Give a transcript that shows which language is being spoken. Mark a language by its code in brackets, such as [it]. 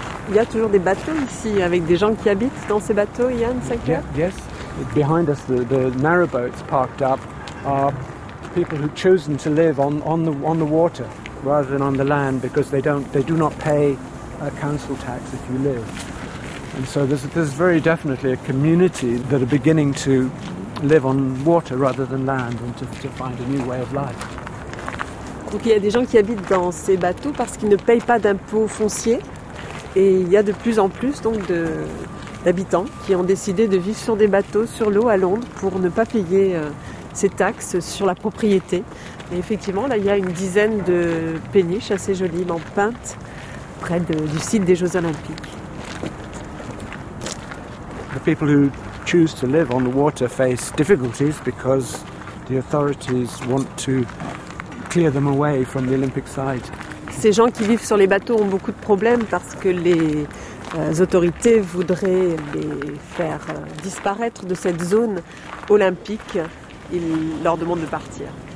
[fr] Il y a toujours des bateaux ici, avec des gens qui habitent dans ces bateaux, Yann Sinclair. [en] Yes, behind us, the narrowboats parked up are people who've chosen to live on the water rather than on the land because they do not pay a council tax if you live. And so there's very definitely a community that are beginning to live on water rather than land and to find a new way of life. [fr] Donc il y a des gens qui habitent dans ces bateaux parce qu'ils ne payent pas d'impôts fonciers. Et il y a de plus en plus donc d'habitants qui ont décidé de vivre sur des bateaux, sur l'eau à Londres, pour ne pas payer ces taxes sur la propriété. Et effectivement, là, il y a une dizaine de péniches assez joliment peintes près du site des Jeux Olympiques. [en] The people who choose to live on the water face difficulties because the authorities want to clear them away from the Olympic site. [fr] Ces gens qui vivent sur les bateaux ont beaucoup de problèmes parce que les autorités voudraient les faire disparaître de cette zone olympique. Ils leur demandent de partir.